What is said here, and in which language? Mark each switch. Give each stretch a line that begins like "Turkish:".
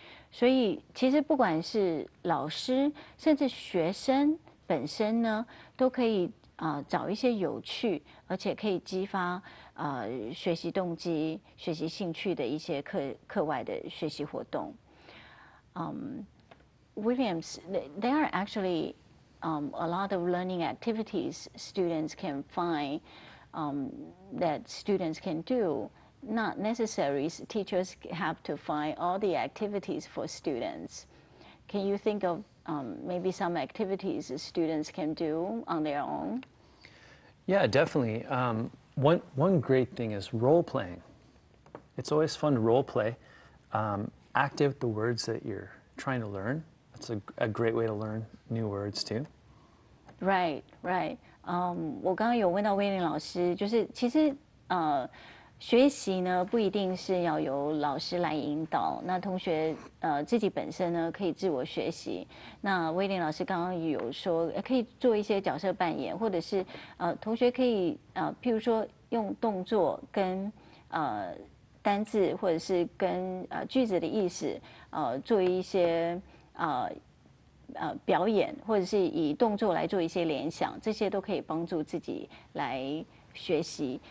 Chinese: 所以其实不管是老师甚至学生本身呢，都可以找一些有趣而且可以激发学习动机、学习兴趣的一些课外的学习活动。
English: Williams, there are actually a lot of learning activities students can find that students can do. Not necessary, teachers have to find all the activities for students. Can you think of maybe some activities students can do on their own? Yeah, definitely. One great thing is role playing. It's always fun to role play. Act out the words that you're trying to learn. That's a great way to learn new words too. Right, right.
Chinese: 我刚刚有问到威廉老师，就是其实学习呢不一定是要由老师来引导，那同学自己本身呢可以自我学习。那威廉老师刚刚有说，可以做一些角色扮演，或者是同学可以譬如说用动作跟单字或者是跟句子的意思做一些表演，或者是以动作来做一些联想，这些都可以帮助自己来学习。